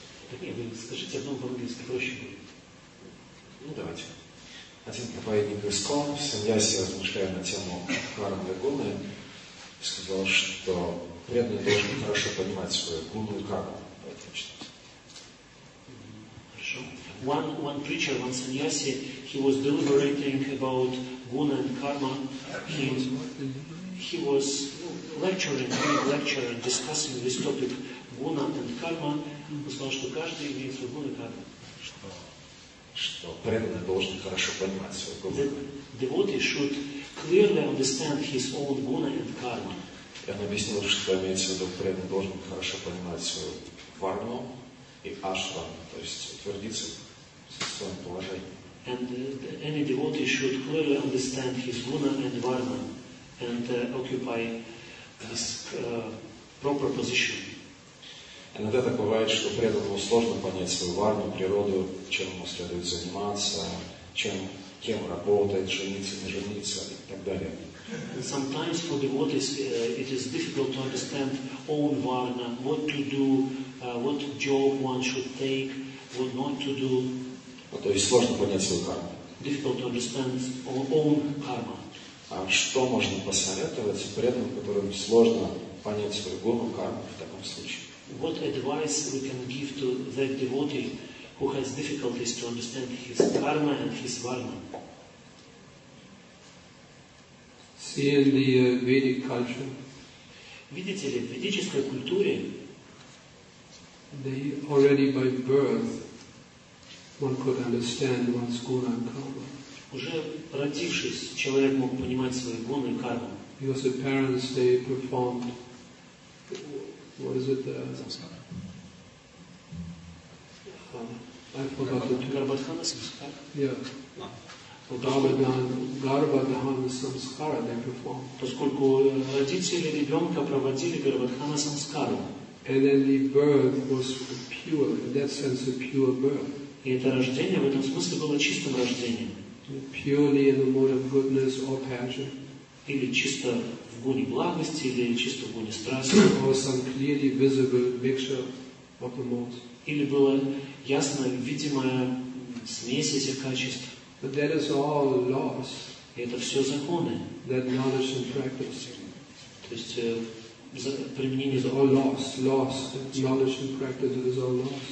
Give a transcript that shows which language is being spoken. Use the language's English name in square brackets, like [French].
[Russian] Так нет, вы скажите одно по-английски, проще будет. Ну давайте. Один проповедник Грискон, саньяси, размышляя на тему Кварам Легуны, сказал, что преданный должен хорошо понимать свою гуну и карму. Давайте начнем. Хорошо. [English] One preacher, one sannyasi, he was deliberating about guna and karma. He was lecturing, discussing this topic, guna and karma. [Russian] Он сказал, что каждый имеет свою гуну и карму. Что преданный должен хорошо понимать свою гуну. [English] The devotee should clearly understand his own guna and karma. [Russian] И он объяснил, что имеется в виду, преданный должен хорошо понимать свою карму и ашрам, то есть утвердиться в своем положении. [English] And any devotee should clearly understand his guna and varna and occupy his proper position. [Russian] Иногда так бывает, что преданному сложно понять свою варну, природу, чем ему следует заниматься, кем работать, жениться, не жениться и так далее. [English] And sometimes for devotees it is difficult to understand own varna, what to do, what job one should take, what not to do. [Russian] То есть сложно понять свою карму. [English] Difficult to understand own karma. [Russian] А что можно посоветовать преданным, которым сложно понять свою гуну, карму в таком случае? [English] What advice we can give to that devotee who has difficulties to understand his karma and his varna? See in the Vedic culture. [Russian] Видите ли, в ведической культуре [English] they already by birth one could understand one's guna and karma. [Russian] Уже родившись, человек мог понимать свою гуну и карму. [English] Because the parents they performed what is it? I forgot the term. Garbhadhana samskara? Yeah. Гарбадхана самскара they perform. [Russian] Поскольку родители ребенка проводили Гарбадхана самскару. [English] And then the birth was pure, in that sense a pure birth. [Russian] И это рождение в этом смысле было чистым рождением. [English] Purely in the mode of goodness or passion. [Russian] Или чисто в гуне благости, или чисто в гуне страсти. [English] Or some clearly visible mixture of the modes. [Russian] Или была ясно видимая смесь этих качеств. [English] But that is all laws. [Russian] Это все законы. [English] That knowledge and practice. [Russian] То есть применение закона. [English] All laws, laws, knowledge and practice. It is all laws.